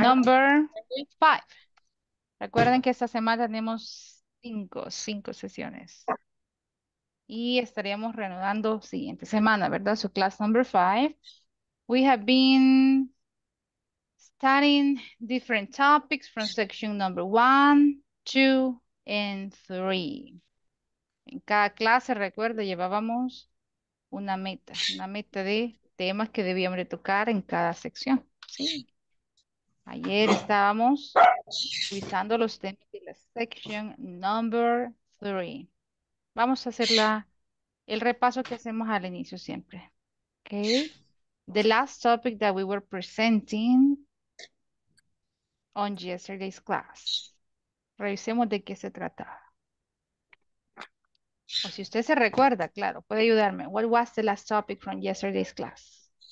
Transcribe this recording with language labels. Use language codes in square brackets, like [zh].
[en] number five. [es] Recuerden que esta semana tenemos cinco sesiones. Y estaríamos reanudando siguiente semana, ¿verdad? Su [en] class number five. We have been studying different topics from section number one, two, and three. [es] En cada clase, recuerda, llevábamos una meta de temas que debíamos de tocar en cada sección, ¿sí? Ayer estábamos revisando los temas de la [en] section number three. [es] Vamos a hacer el repaso que hacemos al inicio siempre. [en] Okay. The last topic that we were presenting on yesterday's class. [es] Revisemos de qué se trataba. O si usted se recuerda, claro, puede ayudarme. [en] What was the last topic from yesterday's class?